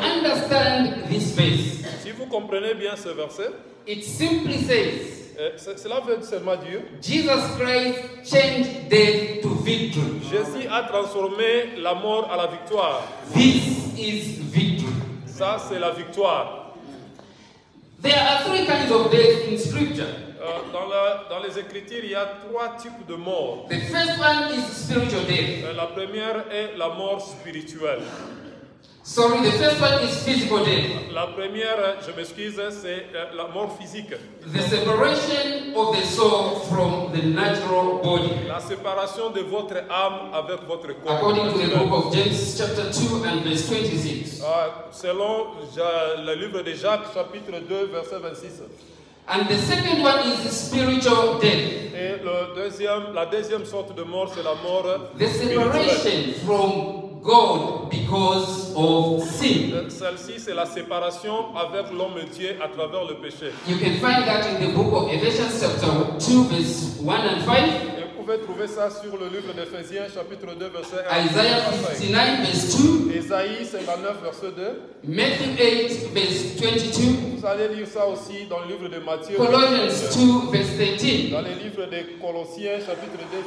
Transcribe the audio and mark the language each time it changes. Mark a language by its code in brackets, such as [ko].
[en] If you understand this verse, [fr] si vous comprenez bien ce verset, [en] it simply says, [fr] cela veut seulement dire, [en] Jesus Christ changed death to victory. [fr] Jésus a transformé la mort à la victoire. [en] This is victory. [fr] Ça, c'est la victoire. [en] There are three kinds of death in Scripture. [fr] Dans les Écritures, il y a trois types de mort. [en] The first one is spiritual death. [fr] La première est la mort spirituelle. [en] Sorry, the first one is physical death. [fr] La première, je m'excuse, c'est la mort physique. [en] The separation of the soul from the natural body. [fr] La séparation de votre âme avec votre corps. [en] According to the book of James, chapter 2 and verse 26. [fr] Selon le livre de Jacques, chapitre 2, verset 26. [en] And the second one is spiritual death. [fr] Et la deuxième sorte de mort, c'est la mort spirituelle. [en] The separation from God because of sin. [fr] Celle-ci, c'est la séparation avec l'homme Dieu à travers le péché. [en] You can find that in the book of Ephesians chapter 2, verse 1 and 5. [fr] Et vous pouvez trouver ça sur le livre d'Ephésiens, chapitre 2, verset 1. [en] Isaiah 59, verse 2. [fr] Esaïe 59, verset 2. [en] Matthew 8, verse 22. [fr] Vous allez lire ça aussi dans le livre de Matthieu. [en] Colossians 2, verse 13. [fr] Dans le livre de Colossiens, chapitre 2.